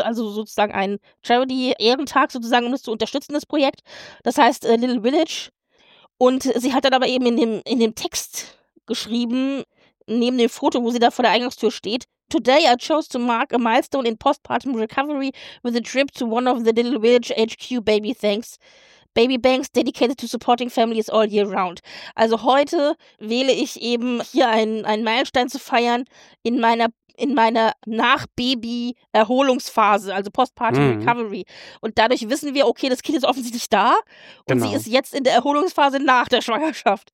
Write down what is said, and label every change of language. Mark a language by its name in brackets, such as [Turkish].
[German] Also sozusagen ein Charity-Ehrentag sozusagen, um das zu unterstützen, das Projekt. Das heißt Little Village. Und sie hat dann aber eben in dem Text geschrieben, neben dem Foto, wo sie da vor der Eingangstür steht, [English] Today I chose to mark a milestone in postpartum recovery with a trip to one of the Little Village HQ Baby Thanks. Baby Banks dedicated to supporting families all year round. [German] Also heute wähle ich eben hier einen Meilenstein zu feiern in meiner in meiner Nach-Baby-Erholungsphase, also Postpartum Recovery. Und dadurch wissen wir, okay, das Kind ist offensichtlich da und sie ist jetzt in der Erholungsphase nach der Schwangerschaft.